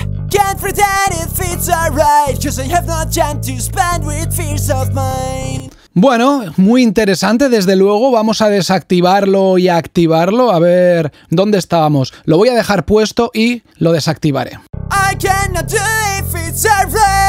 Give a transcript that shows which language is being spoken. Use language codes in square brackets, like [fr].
[en] Can't pretend if it's alright. Cause I have no time to spend with fears of mine. [es] Bueno, muy interesante, desde luego. Vamos a desactivarlo y a activarlo. A ver dónde estábamos. Lo voy a dejar puesto y lo desactivaré. [en] I cannot do if it's afraid.